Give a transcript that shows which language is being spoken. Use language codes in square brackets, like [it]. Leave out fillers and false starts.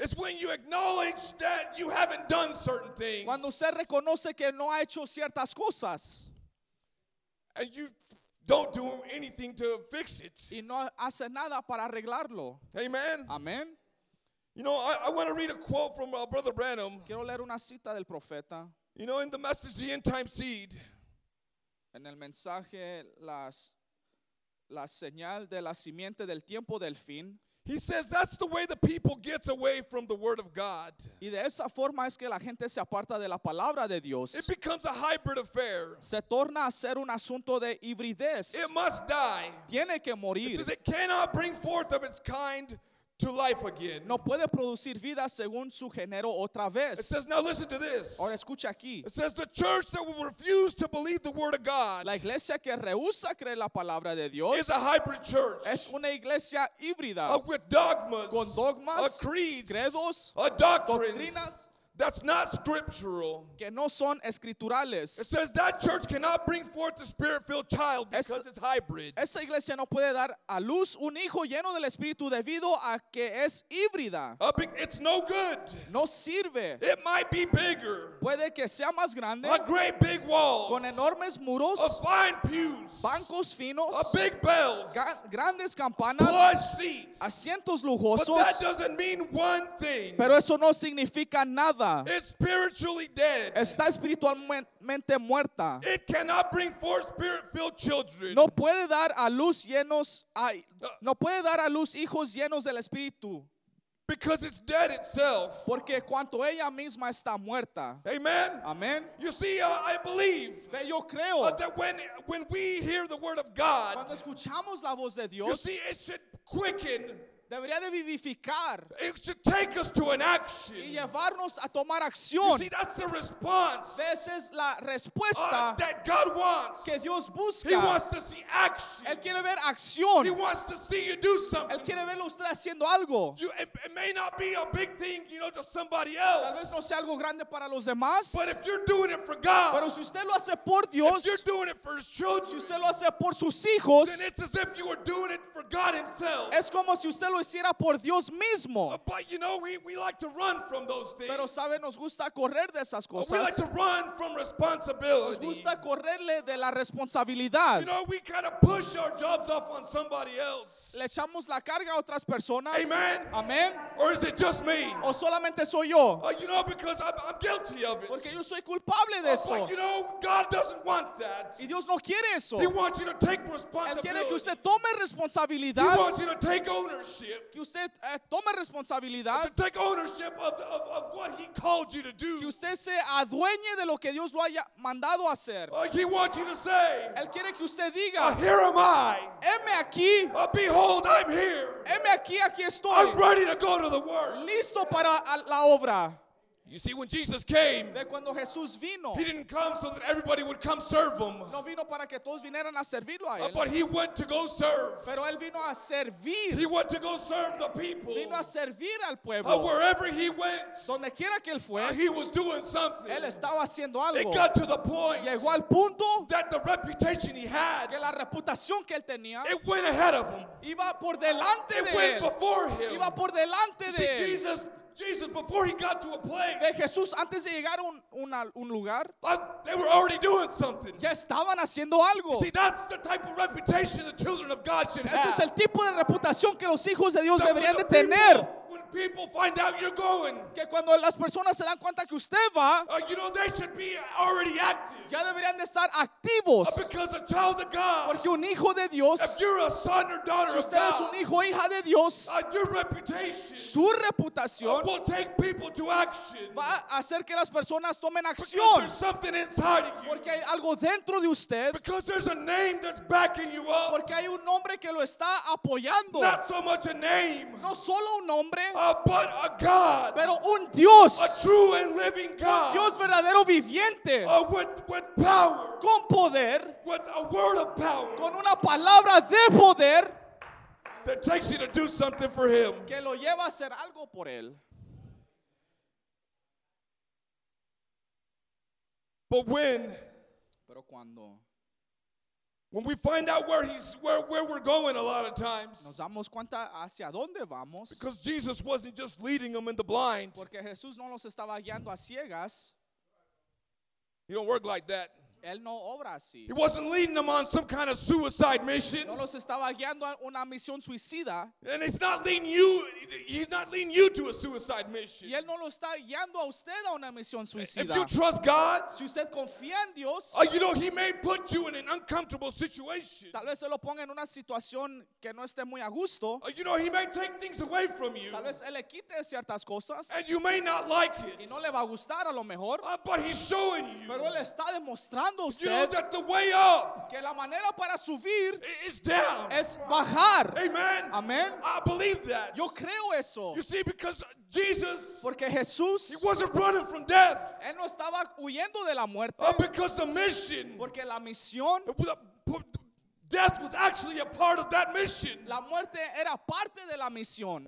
[en] is when you acknowledge that you haven't done certain things. [es] Cuando usted reconoce que no ha hecho ciertas cosas. [en] And you don't do anything to fix it. [es] Y no hace nada para arreglarlo. [en] Amen. [es] Amen. [en] You know, I want to read a quote from Brother Branham. [es] Quiero leer una cita del profeta. [en] You know, in the message, the end time seed. [es] En el mensaje, la señal de la simiente del tiempo del fin. [en] He says that's the way the people gets away from the word of God. [es] Y de esa forma es que la gente se aparta de la palabra de Dios. [en] It becomes a hybrid affair. [es] Se torna a ser un asunto de hibridez. [en] It must die. [es] Tiene que morir. [en] It says it cannot bring forth of its kind to life again. [es] No puede producir vida según su género otra vez. [en] It says, now listen to this. [es] Ahora escucha aquí. [en] It says, the church that will refuse to believe the word of God. [es] La iglesia que rehúsa creer la palabra de Dios. [en] Is a hybrid church. [es] Es una iglesia híbrida. [en] With dogmas. [es] Con dogmas. [en] Creeds. [es] Credos. [en] Doctrinas. That's not scriptural. [es] Que no son escriturales. [en] It says that church cannot bring forth the spirit-filled child because it's hybrid. [es] Esa iglesia no puede dar a luz un hijo lleno del espíritu debido a que es híbrida. [en] It's no good. [es] No sirve. [en] It might be bigger. [es] Puede que sea más grande. [en] A great big wall. [es] Con enormes muros. [en] A fine pews. [es] Bancos finos. [en] A big bells. [es] Grandes campanas. [en] Plush seats. [es] Asientos lujosos. [en] But that doesn't mean one thing. [es] Pero eso no significa nada. [en] It's spiritually dead. [es] Está espiritualmente muerta. [en] It cannot bring forth spirit-filled children. [es] No puede dar a luz llenos no puede dar a luz hijos llenos del espíritu. [en] Because it's dead itself. [es] Porque cuanto ella misma está muerta. [en] Amen. [es] Amen. [en] You see, I believe. [es] Pero yo creo. [en] That when we hear the word of God. [es] Cuando escuchamos la voz de Dios. [en] You see, it should quicken. [es] Debería de vivificar. [en] It should take us to an action. [es] Y llevarnos a tomar acción. [en] You see, that's the response. [es] Esa es la respuesta [en] that God wants. [es] Que Dios busca. [en] He wants to see action. [es] Él quiere ver acción. [en] He wants to see you do something. [es] Él quiere verlo usted haciendo algo. [en] It may not be a big thing, you know, to somebody else. [es] Tal vez no sea algo grande para los demás. [en] But if you're doing it for God. [es] Pero si usted lo hace por Dios. [en] If you're doing it for His children. [es] Si usted lo hace por sus hijos. [en] Then it's as if you were doing it for God Himself. [es] Es como si usted lo hiciera por Dios mismo. [en] But you know, we like to run from those things. [es] Pero sabe, nos gusta correr de esas cosas. [en] We like to run from responsibility. [es] Nos gusta correrle de la responsabilidad. [en] You know, we kind of push our jobs off on somebody else. [es] Le echamos la carga a otras personas. [en] Amen. [es] Amen. [en] Or is it just me? [es] O solamente soy yo. [en] You know, because I'm guilty of it. [es] Porque yo soy culpable de eso. [en] But you know, God doesn't want that. [es] Y Dios no quiere eso. [en] He wants you to take responsibility. [es] Él quiere que usted tome responsabilidad. [en] He wants you to take ownership. [es] Que usted tome responsabilidad. [en] To take ownership of what He called you to do. [es] Que usted se adueñe de lo que Dios lo haya mandado a hacer. [en] He wants you to say. [es] Él quiere que usted diga. [en] Here am I. [es] Heme aquí. [en] Behold, I'm here. [es] Heme aquí, aquí estoy. [en] I'm ready to go to the work. [es] Listo para la obra. [en] You see, when Jesus came, [es] de cuando Jesús vino, [en] He didn't come so that everybody would come serve Him. [es] No vino para que todos vinieran a servirlo a él. [en] But He went to go serve. [es] Pero él vino a servir. [en] He went to go serve the people. [es] Vino a servir al pueblo. [en] Wherever He went, [es] donde quiera que él fue, [en] He was doing something. [es] Él estaba haciendo algo. [en] It got to the point. [es] Llegó al punto [en] that the reputation He had, [es] que la reputación que él tenía, [en] it went ahead of Him. [es] Iba por delante de él. [en] It went before Him. [es] Iba por delante de él. [en] See, Jesus, before He got to a place, [es] de Jesús, antes de llegar a un lugar, [en] they were already doing something. [es] Ya estaban haciendo algo. [en] See, that's the type of reputation the children of God should have. [es] Ese es el tipo de reputación que los hijos de Dios [en] that [es] deberían de tener. [en] When people find out you're going, [es] que cuando las personas se dan cuenta que usted va, [en] you know, they should be already active. [es] Ya deberían de estar activos. [en] Because a child of God, [es] porque un hijo de Dios, [en] if you're a son or daughter [es] si usted [en] of God, [es] es un hijo o hija de Dios, [en] your reputation, [es] su reputación, [en] will take people to action. [es] Va a hacer que las personas tomen acción. [en] Because there's something inside of you. [es] Porque hay algo dentro de usted. [en] Because there's a name that's backing you up. [es] Porque hay un nombre que lo está apoyando. [en] Not so much a name. [es] No solo un nombre. [en] But a God. [es] Pero un Dios. [en] A true and living God. [es] Dios verdadero viviente. [en] With power. [es] Con poder. [en] With a word of power. [es] Con una palabra de poder. [en] That takes you to do something for Him. [es] Que lo lleva a hacer algo por él. [en] But when, [es] pero cuando, [en] when we find out where we're going, a lot of times, [es] nos damos cuenta hacia dónde vamos. [en] Because Jesus wasn't just leading them in the blind. [es] Porque Jesús no los estaba guiando a ciegas. [en] He don't work like that. [es] Él no obra así. [en] He wasn't leading them on some kind of suicide mission. [es] No los estaba guiando a una misión suicida. [en] And he's not leading you. He's not leading you to a suicide mission. [es] Y él no lo está guiando a usted a una misión suicida. [en] If you trust God, [es] si usted confía en Dios, [en] you know, He may put you in an uncomfortable situation. [es] Tal vez se lo ponga en una situación que no esté muy a gusto. [en] You know, He may take things away from you. [es] Tal vez él le quite ciertas cosas. [en] And you may not like it. [es] Y no le va a gustar a lo mejor. [en] But He's showing you. [es] Pero él está demostrando. [en] You know that the way up, [es] que la manera para subir, [en] is down. [es] Es bajar. [en] Amen. [es] Amen. [en] I believe that. [es] Yo creo eso. [en] You see, because Jesus, [es] porque Jesús, [en] He wasn't running from death. [es] Él no estaba huyendo de la muerte. [en] Because the mission, [es] porque la misión, [en] death was actually a part of that mission. [es] La muerte era parte de la misión.